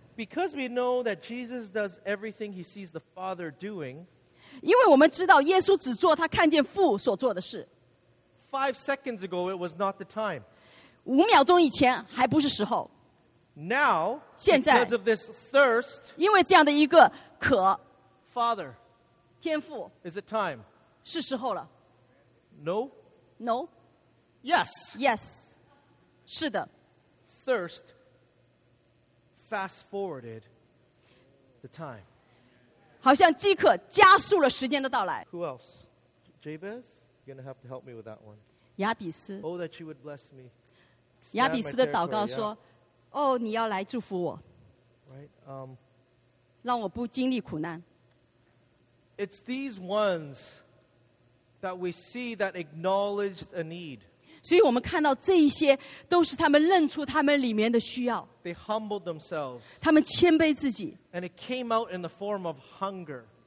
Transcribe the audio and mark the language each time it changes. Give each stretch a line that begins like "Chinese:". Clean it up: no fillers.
English: Because we know that Jesus does everything he sees the Father doing,
Chinese: 因为我们知道耶稣只做他看见父所做的事。
English: 5 seconds ago, it was not the time.
Chinese: 5秒钟以前还不是时候。
English: Now,
Chinese: 现在,
English: because of this thirst,
Chinese: 因为这样的一个渴,
English: Father,
Chinese: 天父,
English: is it time?
Chinese: 是时候了。
English: No? No? Yes. Yes.
Chinese: 是的。
English: Thirst fast-forwarded the time.
Chinese: 好像即刻加速了时间的到来.
English: Who else? Jabez? You're going to have to help me with that one.
Chinese: 亚比斯.
English: Oh, that you would bless me.
Chinese: 亚比斯的祷告说,
English: yeah.
Chinese: 哦,你要来祝福我.
English: Right? It's these ones that we see that acknowledged a need.
Chinese: 所以我们看到这些都是他们认出他们里面的需要.
English: They humbled themselves.
Chinese: 他们谦卑自己.
English: And it came out in the form of hunger.